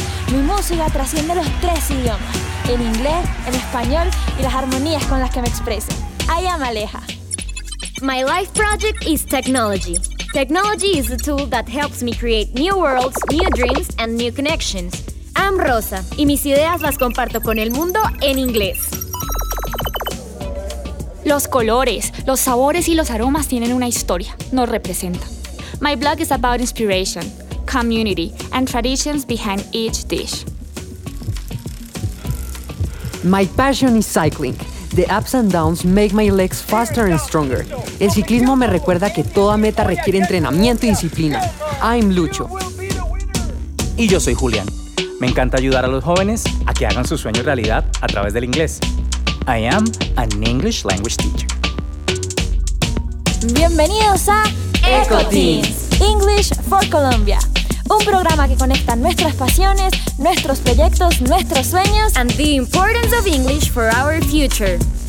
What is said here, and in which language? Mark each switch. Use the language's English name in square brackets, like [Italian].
[Spanish] Mi música trasciende los tres idiomas, el inglés, el español y las armonías con las que me expreso. [English] I am Aleja. My life project is technology. Technology is a tool that helps me create new worlds, new dreams, and new connections. I'm Rosa, [Spanish] y mis ideas las comparto con el mundo en inglés. Los colores, los sabores y los aromas tienen una historia, nos representan. [English] My blog is about inspiration, community, and traditions behind each dish. My passion is cycling. The ups and downs make my legs faster and stronger. [Spanish] El ciclismo me recuerda que toda meta requiere entrenamiento y disciplina. [English] I'm Lucho. [Spanish] Y yo soy Julián. Me encanta ayudar a los jóvenes a que hagan sus sueños realidad a través del inglés. [English] I am an English language teacher. [Spanish] Bienvenidos a [English] EcoTeens, English for Colombia. [Spanish] Un programa que conecta nuestras pasiones, nuestros proyectos, nuestros sueños [English] and the importance of English for our future.